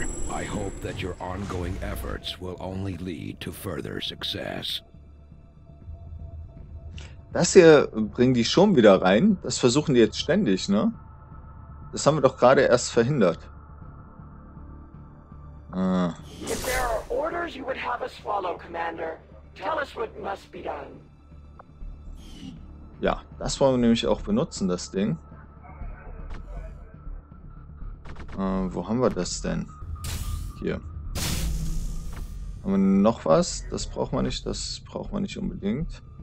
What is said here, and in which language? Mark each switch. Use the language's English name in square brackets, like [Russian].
[English] I hope that your ongoing efforts will only lead to further success. [German] Das hier bringen die schon wieder rein. Das versuchen die jetzt ständig, ne? Das haben wir doch gerade erst verhindert. [English] If there are orders you would have us follow, Commander, tell us what must be done. [German] Ja, das wollen wir nämlich auch benutzen, das Ding. Wo haben wir das denn? Hier. Haben wir noch was? Das braucht man nicht, das braucht man nicht unbedingt.